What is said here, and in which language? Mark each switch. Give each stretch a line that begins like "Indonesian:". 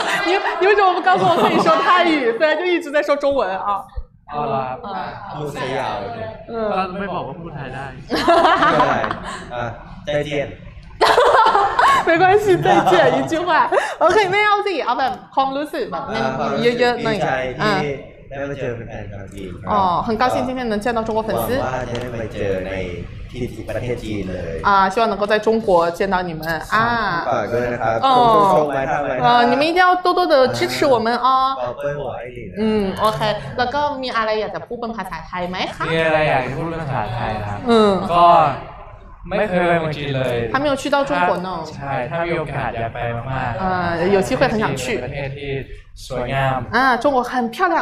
Thai: ยูยูจะมาบอกให้ฉันพูดภาษาไทย
Chinese: 虽然就一直在说中文啊
Thai: อ๋อ แล้วพูดไทยเอา ก็ไม่บอกว่าพูดไทยได้ ไม่เป็นไรใจเย็น
Chinese: 没关系再见一句话 OK
Thai: ไม่เอาสิเอาแบบความรู้สึกแบบเยอะๆหน่อย ดีใจที่ได้มาเจอแฟนๆครับ
Chinese: อ๋อ很高兴今天能见到中国粉丝
Thai: หวังว่าจะได้มาเจอในที่ประเทศจีนเลย
Chinese: อ่า希望能够在中国见到你们啊
Thai: ฝากด้วยนะครับ โอ้โ หชมไว้ทำไว้
Chinese: 你们一定要多多的支持我们哦宝贝我爱你
Thai: 嗯 OK แล้วก็มีอะไรอยากจะพูดเป็นภาษาไทยไหมคะ มีอะไรอยากพูดเป็นภาษาไทยครับก็ไม่เคยไปเมืองจีนเลย
Chinese: 他没有去到中国呢
Thai: ใช่ถ้ามีโอกาสอยากไปมาก
Chinese: ๆ有机会很想去
Thai: ประเทศที่สวยงาม
Chinese: 中国很漂亮